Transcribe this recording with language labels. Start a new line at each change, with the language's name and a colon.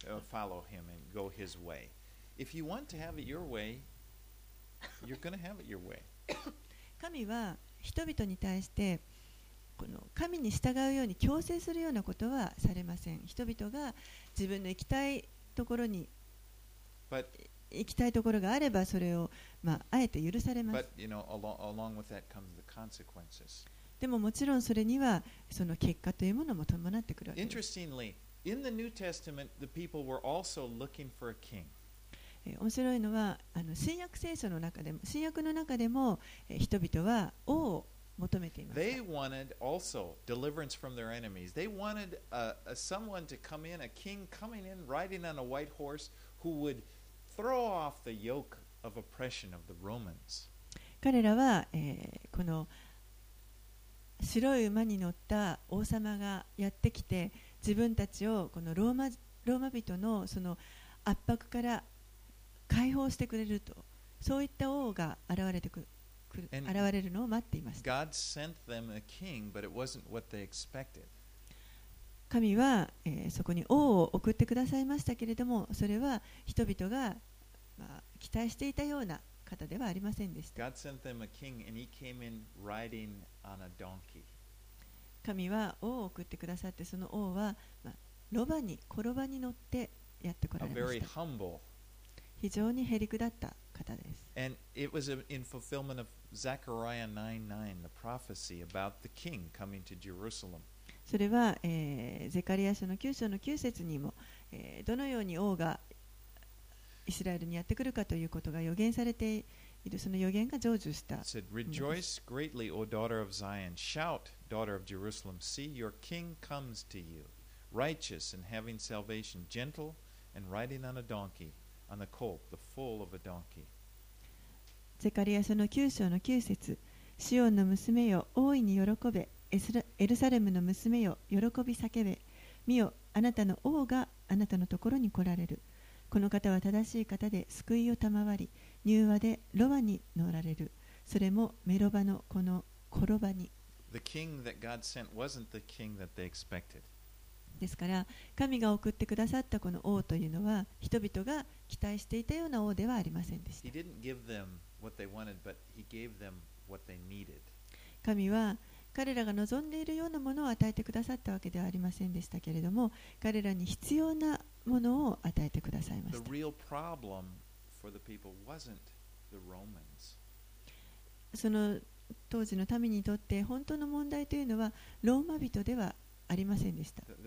English: Follow him and go his way. If you want to have it your way, you're going to have it your way.
Japanese: 神は人々に対してこの神に従うように強制するようなことはされません。人々が自分の行きたいところに行きたいところがあればそれをあえて許されます。
English: But, you know, along with that comes the consequences.
Japanese: でももちろんそれにはその結果というものも伴ってくるわけです。
English: Interestingly, in the New Testament, the people were also looking for a king.
Japanese: 面白いのは新約聖書の中でも新約の中でも人々は王を求めていました。
English: They wanted also deliverance from their enemies. They wanted someone to come in, a king coming in, riding on a white horse who would throw off the yoke of oppression of the Romans.
Japanese: 彼らは、この白い馬に乗った王様がやってきて自分たちをこのローマ人のその圧迫から解放してくれると、そういった王が現れるのを待っていました。
English: God sent them a king, but it wasn't what they expected.
Japanese: 神は、そこに王を送ってくださいましたけれども、それは人々が、期待していたような方ではありませんでした。
English: God sent them a king, and he came in riding on a donkey.
Japanese: 神は王を送ってくださって、その王は、ロバに、コロバに乗ってやってこられました。
English: A very humble.
Japanese: 非常にへりくだった方です。
English: And it was in fulfillment of Zechariah 9:9, the prophecy about the king coming to Jerusalem.
Japanese: それは、ゼカリア書の9章の9節にも、どのように王がイスラエルにやってくるかということが予言されている、その予言が成就した。
English: It said, Rejoice greatly, O daughter of Zion. Shout, daughter of Jerusalem. See, your king comes to you, righteous and having salvation, gentle and riding on a donkey. On the colt, the foal of a donkey.
Japanese: ゼカリア書の9章の9節、シオンの娘よ大いに喜べ、エルサレムの娘よ喜び叫べ、見よ、あなたの王があなたのところに来られる。この方は正しい方で救いを賜り、柔和でロバに乗られる。それもメロバのこの転ばに。
English: The king that God sent wasn't the king that they expected.
Japanese: ですから、神が送ってくださったこの王というのは、人々が期待していたような王ではありませんでした。
English: He didn't give them what they wanted, but he gave them what they needed.
Japanese: 神は彼らが望んでいるようなものを与えてくださったわけではありませんでしたけれども、彼らに必要なものを与えてくださいました。
English: The real problem for the people wasn't the Romans.
Japanese: その当時の民にとって本当の問題というのはローマ人ではありませんでした。